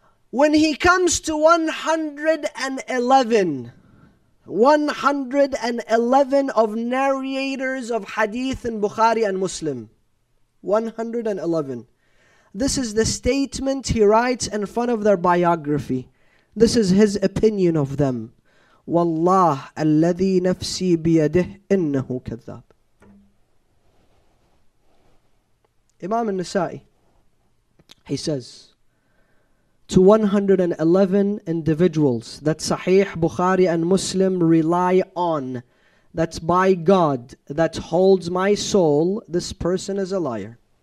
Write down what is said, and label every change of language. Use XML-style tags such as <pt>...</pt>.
<en>When he comes to 111 of narrators of hadith in Bukhari and Muslim. 111. This is the statement he writes in front of their biography. This is his opinion of them.</en> <ar>والله الذي نفسي بيده إنه كذاب.</ar> <en>Imam al-Nasa'i, he says, to 111 individuals that Sahih Bukhari and Muslim rely on, that by God that holds my soul, this person is a liar.</en>